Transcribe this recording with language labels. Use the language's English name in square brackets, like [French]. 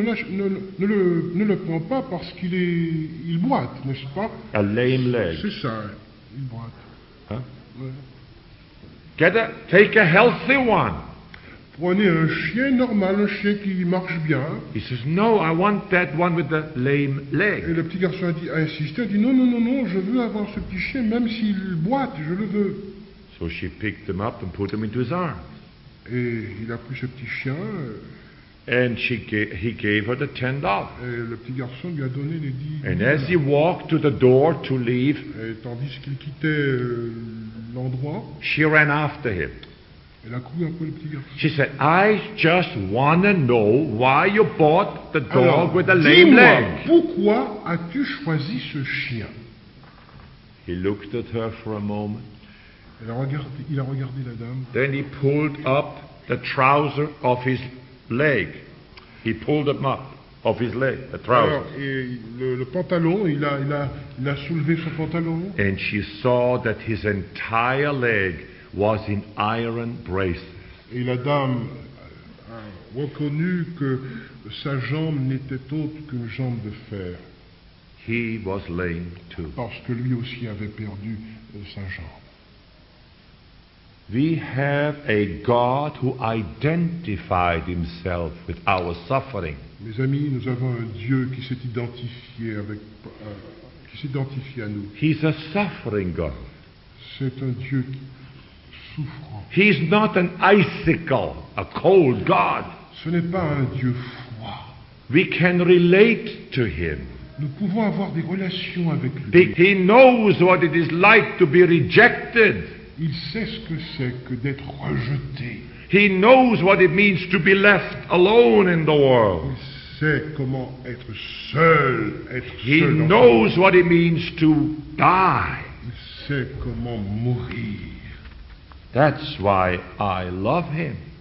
[French] Ne le prends pas parce qu'il est, il boite, n'est-ce pas? [English] A lame leg. [French] C'est ça, il boite. [English] Huh? [French] Ouais. [English] Take a healthy one. [French] Prenez un chien normal, un chien qui marche bien. [English] He says, no, I want that one with the lame leg. [French] Et le petit garçon a insisté, a dit, non, je veux avoir ce petit chien, même s'il boite, je le veux. [English] So she picked him up and put him into his arms. [French] Et il a pris ce petit chien. [English] And he gave her the $10. [French] Et le petit garçon lui a donné les 10. [English] And as he walked to the door to leave, [French] et tandis qu'il quittait l'endroit, [English] she ran after him. [French] Elle a couru après le petit garçon. [English] She said, I just want to know why you bought the dog. [French] Alors, [English] with a lame leg. [French] Pourquoi as-tu choisi ce chien? [English] He looked at her for a moment. [French] Il a regardé la dame. [English] Then he pulled up the trouser of his leg. He pulled them up of his leg, the trouser. [French] Alors, et le pantalon, il a soulevé son pantalon. [English] And she saw that his entire leg was in iron braces. [French] Et la dame a reconnu que sa jambe n'était autre qu'une jambe de fer. [English] He was lame too. [French] Parce que lui aussi avait perdu sa jambe. [English] We have a God who identified himself with our suffering. [French] Mes amis, nous avons un Dieu qui s'est identifié avec qui s'identifie à nous. [English] He's a suffering God. [French] C'est un Dieu qui. [English] He's not an icicle, a cold God. [French] Ce n'est pas un Dieu froid. [English] We can relate to him. [French] Nous pouvons avoir des relations avec lui. [English] He knows what it is like to be rejected. [French] Il sait ce que c'est que d'être rejeté. [English] He knows what it means to be left alone in the world. [French] Il sait comment être seul. [English] He knows what it means to die. [French] Je sais comment mourir. [English] That's why I love him.